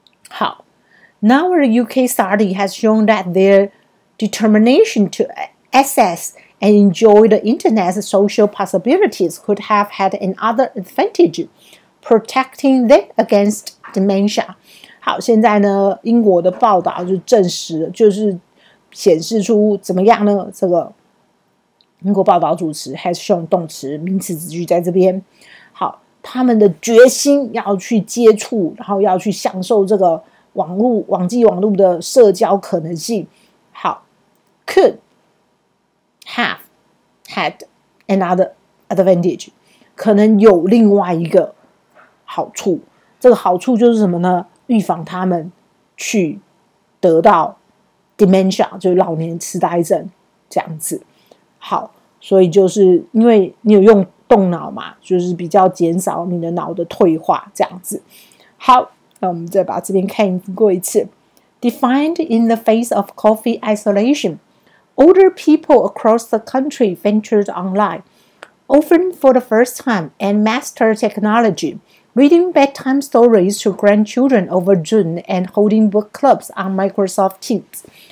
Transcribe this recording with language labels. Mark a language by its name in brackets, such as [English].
[English] 好 ，Now a UK study has shown that their determination to access and enjoy the internet's social possibilities could have had another advantage, protecting them against dementia. [Chinese] 好，现在呢，英国的报道就证实，就是显示出怎么样呢？这个。英国报道主持 [English] has shown [Chinese] 动词名词子句在这边。好，他们的决心要去接触，然后要去享受这个网际网络的社交可能性。好 ， [English] could have had another advantage， [Chinese] 可能有另外一个好处。这个好处就是什么呢？预防他们去得到 dementia， 就是老年痴呆症这样子。好，所以就是因为你有用动脑嘛，就是比较减少你的脑的退化这样子。好，那我们再把这边看过一次。 [English] Defined in the face of COVID isolation, older people across the country ventured online, often for the first time, and mastered technology, reading bedtime stories to grandchildren over Zoom and holding book clubs on Microsoft Teams.